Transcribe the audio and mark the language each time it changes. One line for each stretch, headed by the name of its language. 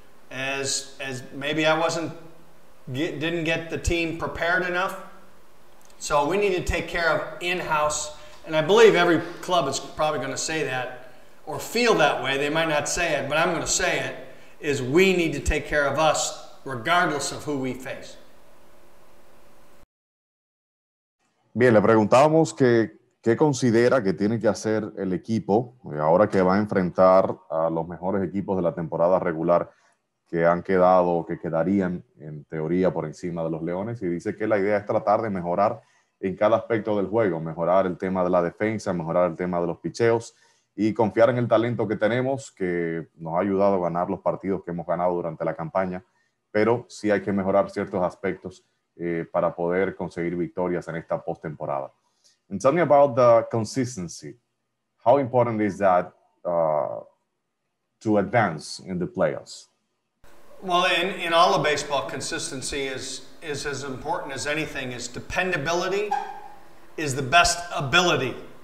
English: As maybe I didn't get the team prepared enough. So we need to take care of in-house, and I believe every club is probably going to say that or feel that way. They might not say it, but I'm going to say it, is we need to take care of us regardless of who we face.
Spanish: Bien, le preguntábamos qué considera que tiene que hacer el equipo ahora que va a enfrentar a los mejores equipos de la temporada regular que han quedado o que quedarían en teoría por encima de los Leones, y dice que la idea es tratar de mejorar en cada aspecto del juego, mejorar el tema de la defensa, mejorar el tema de los picheos y confiar en el talento que tenemos, que nos ha ayudado a ganar los partidos que hemos ganado durante la campaña, pero sí hay que mejorar ciertos aspectos para poder conseguir victorias en esta postemporada.
English: And tell me about the consistency. How important is that to advance in the playoffs? Well, in all of baseball, consistency is as important as anything. Is dependability is the best ability.